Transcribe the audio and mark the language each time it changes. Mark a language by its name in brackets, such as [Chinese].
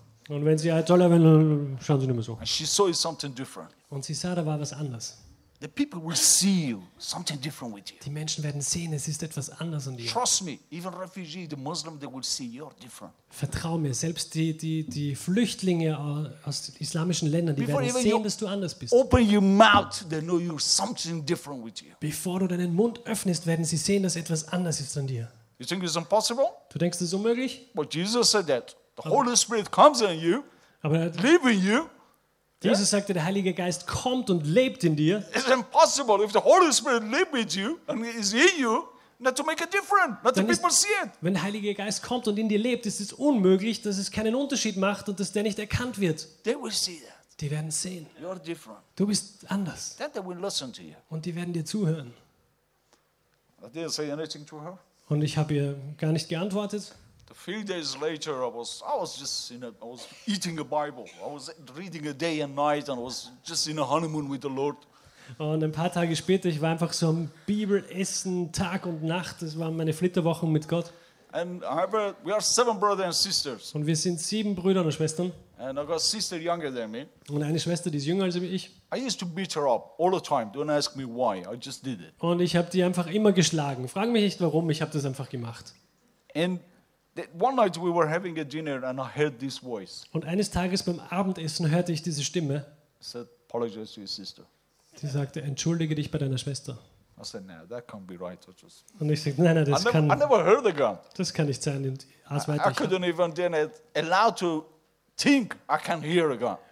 [German] Und wenn sie Ayatollah werden, schauen sie nicht mehr so. [English] And she saw something different. [German] Und sie sah, da war was anders. [English] The people will see you something different with you. [German] Die Menschen werden sehen, es ist etwas anders an dir. [English] Trust me, even refugees, the Muslim, they will see you're different. [German] Vertrau mir, selbst die Flüchtlinge aus islamischen Ländern, die werden sehen, dass du anders bist. [English] Open your mouth, they know you're something different with you. [German] Bevor du deinen Mund öffnest, werden sie sehen, dass etwas anders ist an dir. [English] You think it's impossible? [German] Du denkst, es ist unmöglich? [English] But Jesus said that the Holy Spirit comes on you, leaving you. [German] Jesus sagte, der Heilige Geist kommt und lebt in dir. [English] It's impossible if the Holy Spirit lives with you and is in you, not to make a difference, not to people see it. [German] Wenn der Heilige Geist kommt und in dir lebt, ist es unmöglich, dass es keinen Unterschied macht und dass der nicht erkannt wird. [English] They will see that. [German] Die werden sehen. [English] You're different. [German] Du bist anders. [English] Then they will listen to you. [German] Und die werden dir zuhören. [English] I didn't say anything to her. [German] Und ich habe ihr gar nicht geantwortet. [English] A few days later, I was eating a Bible. I was reading a day and night, and I was just in a honeymoon with the Lord. [German] Und ein paar Tage später, ich war einfach so am Bibelessen, Tag und Nacht. Das waren meine Flitterwochen mit Gott. [English] And however, we are seven brothers and sisters. [German] Und wir sind sieben Brüder und Schwestern. [English] And I got a sister younger than me. [German] Und eine Schwester, die ist jünger als ich. [English] I used to beat her up all the time. Don't ask me why. I just did it. [German] Und ich habe die einfach immer geschlagen. Frag mich nicht warum. Ich habe das einfach gemacht. [English] And one night we were having a dinner and I heard this voice. [German] Und eines Tages beim Abendessen hörte ich diese Stimme. [English] I said, apologize to your sister. [German] Sie sagte, entschuldige dich bei deiner Schwester. [English] I said, no, that can't be right. I just... [German] Und ich sagte, nein, das kann. [English] I never heard the gun. [German] Das kann nicht sein. Und [English] I couldn't even then allow to. Think I can hear again.